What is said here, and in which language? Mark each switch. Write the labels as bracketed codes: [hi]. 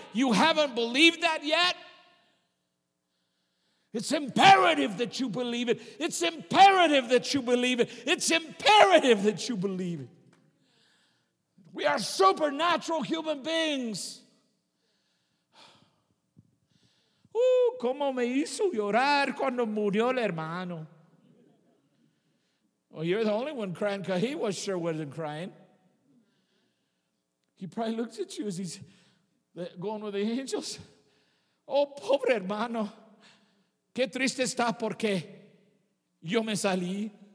[en] You haven't believed that yet? It's imperative that you believe it. It's imperative that you believe it. It's imperative that you believe it. We are supernatural human beings. [es] Oh, como me hizo llorar cuando murió el hermano. [en] Well, you're the only one crying because he was sure wasn't crying. He probably looked at you as he's going with the angels. [es] Oh, pobre hermano. Qué triste está porque yo me salí.